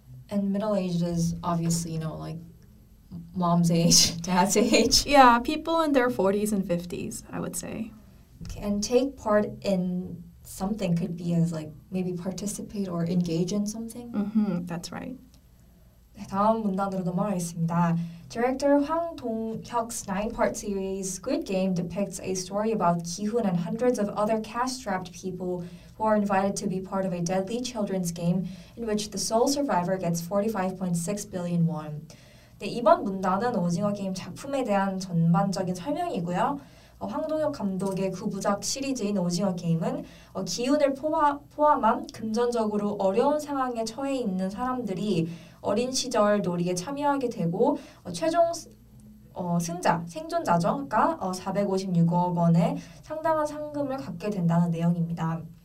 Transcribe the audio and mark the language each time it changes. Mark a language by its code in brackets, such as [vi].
[en] And middle-aged is obviously, you know, like mom's age, dad's age. Yeah, people in their 40s and 50s, I would say. Okay, and take part in something could be as like maybe participate or engage in something. Mm-hmm, that's right. [ko] 다음 문단으로 넘어가겠습니다. [en] Director Hwang Dong-hyuk's nine-part series Squid Game depicts a story about Gi-hun and hundreds of other cash-strapped people who are invited to be part of a deadly children's game in which the sole survivor gets 45.6 billion won. [ko] 네, 이번 문단은 오징어 게임 작품에 대한 전반적인 설명이고요. 황동혁 감독의 9부작 시리즈인 오징어 게임은 기운을 포함한 금전적으로 어려운 상황에 처해 있는 사람들이 어린 시절 놀이에 참여하게 되고 최종 승자, 생존자가 456억 원의 상당한 상금을 갖게 된다는 내용입니다.